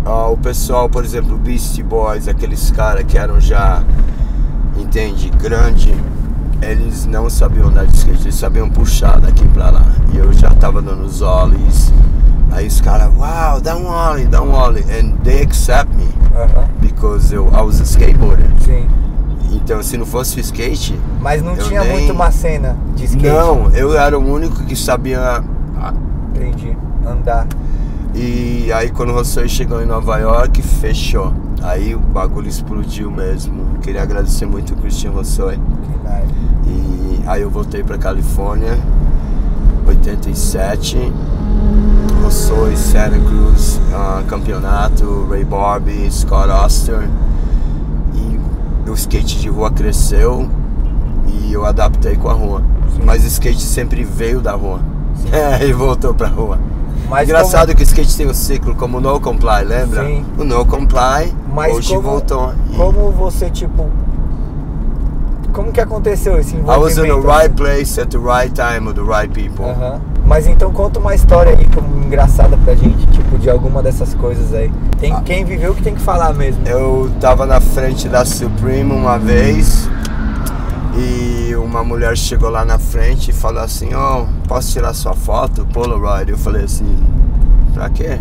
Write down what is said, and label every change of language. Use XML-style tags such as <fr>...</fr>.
<pt>O pessoal, por exemplo, Beastie Boys, aqueles caras que eram já, entende, grande, eles não sabiam andar de skate, eles sabiam puxar daqui pra lá. E eu já tava dando os ollies, aí os caras, uau, dá um ollie, dá um ollie.</pt> <en>And they accept me, because I was a skateboarder.</en> <pt>Sim. Então, se não fosse o skate... Mas não tinha nem... muito uma cena de skate. Não, eu era o único que sabia... Entendi, andar. E aí quando o Rossell chegou em Nova York, fechou. Aí o bagulho explodiu mesmo. Queria agradecer muito o Christian Rossell. E aí eu voltei pra Califórnia, 87. Rossell, Santa Cruz, campeonato, Ray Barbie, Scott Oster. E o skate de rua cresceu e eu adaptei com a rua. Mas o skate sempre veio da rua. E voltou pra rua. Mas engraçado como... que o skate tem um ciclo, como o No Comply, lembra? Sim. O No Comply, mas hoje como, voltou. Como você, tipo... Como que aconteceu esse envolvimento?</pt> <en>I was in the right place, at the right time, with the right people. Uh-huh.</en> <pt>Mas então conta uma história aí, como engraçada pra gente, tipo, de alguma dessas coisas aí. Tem quem viveu que tem que falar mesmo. Eu tava na frente da Supreme uma vez, e uma mulher chegou lá na frente e falou assim, ó, posso tirar sua foto, Polaroid? Eu falei assim, pra quê?</pt>